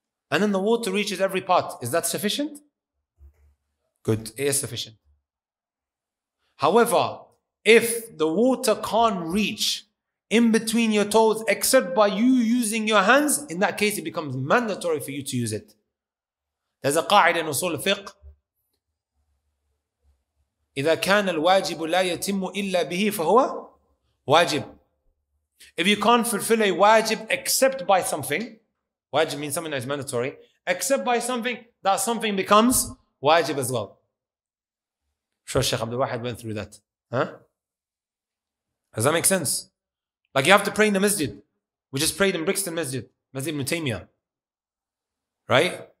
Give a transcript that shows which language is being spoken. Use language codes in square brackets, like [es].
[en] And then the water reaches every part. Is that sufficient? Good. It is sufficient. However, if the water can't reach in between your toes except by you using your hands, in that case, it becomes mandatory for you to use it. There's a qa'id in usul fiqh. [ar] إِذَا كَانَ الْوَاجِبُ لَا يَتِمُّ إِلَّا بِهِ فَهُوَ wajib. [en] If you can't fulfill a wajib except by something, wajib means something that is mandatory, except by something, that something becomes wajib as well. Sure, Sheikh Abdul Wahid went through that. Huh? Does that make sense? Like you have to pray in the masjid. We just prayed in Brixton Masjid, Masjid Mutaymiyyah. Right?